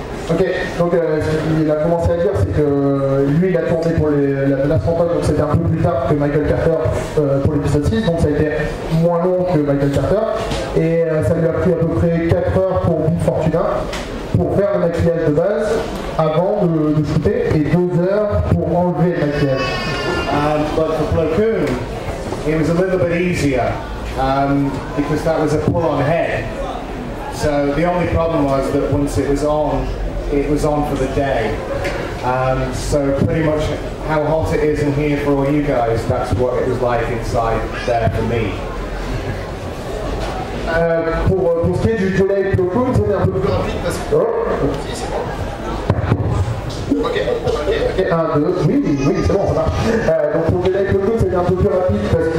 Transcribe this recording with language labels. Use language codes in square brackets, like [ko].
[fr] Ok, donc ce qu'il a commencé à dire, c'est que lui, il a tourné pour la menace fantôme, donc c'était un peu plus tard que Michael Carter pour l'épisode 6, donc ça a été moins long que Michael Carter, et ça lui a pris à peu près 4 heures pour Bill Fortuna, pour faire le maquillage de base, avant de shooter, et 2 heures pour enlever le maquillage. [en] But for Plo Koon, it was a little bit easier, because that was a pull-on head. So the only problem was that once it was on for the day. So pretty much how hot it is in here for all you guys, that's what it was like inside there for me. [fr] Pour ce qui est du soleil Plo Koon, c'est un peu plus rapide parce que... Ok. 1, 2, oui, c'est bon, ça marche. Donc pour le soleil Plo Koon, c'était un peu plus rapide parce que